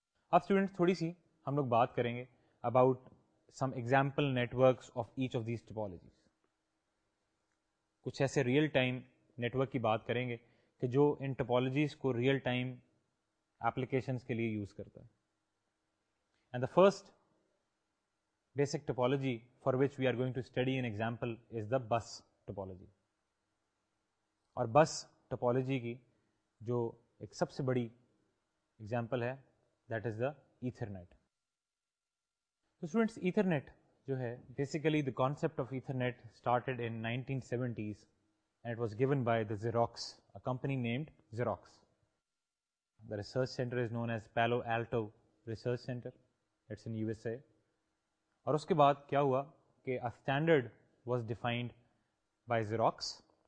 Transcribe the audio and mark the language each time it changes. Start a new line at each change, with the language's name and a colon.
Urdu: اب اسٹوڈنٹس تھوڑی سی ہم لوگ بات کریں گے
English: About some example networks of each of these topologies.
Urdu: کچھ ایسے ریئل ٹائم نیٹ ورک کی بات کریں گے کہ جو ان ٹپالوجیز کو ریئل ٹائم اپلیکیشنس کے لیے یوز کرتا ہے.
English: And the first basic topology for which we are going to study in example is the bus topology.
Urdu: اور بس ٹپالوجی کی جو ایک سب سے بڑی ایگزامپل ہے
English: That is the Ethernet.
Urdu: تو اسٹوڈینٹس ایتھرنیٹ جو ہے
English: Basically the concept of Ethernet started in 1970s and it was given by the Xerox a company named Xerox. The research center is known as Palo Alto research center, it's in U S A.
Urdu: اور اس کے بعد کیا ہوا کہ ا
English: Standard was defined by Xerox.